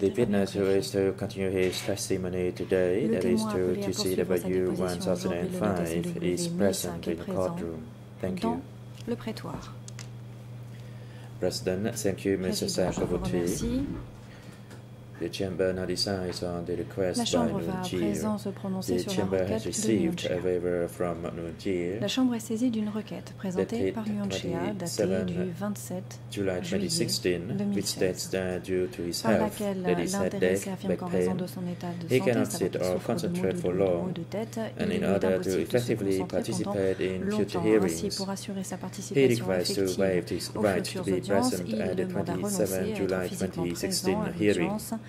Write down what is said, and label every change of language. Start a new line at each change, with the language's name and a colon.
English: The witness who is to continue his testimony today, that is to TCW 1005, is present in the courtroom. Thank you.
French: Le prétoire.
English: President, thank you, Mr. Sakobote. The chamber now decides on the request by Nguyen Chia. The chamber has received a waiver from Nguyen Chia.
French: La chambre est saisie d'une requête présentée par Nguyen Chia, datée du 27 July 2016,
English: which states that due to his health, that is headache, back pain, he cannot sit or concentrate for long, and in order to effectively participate in future hearings, he requests to waive his right to be present at the 27 July 2016 hearing.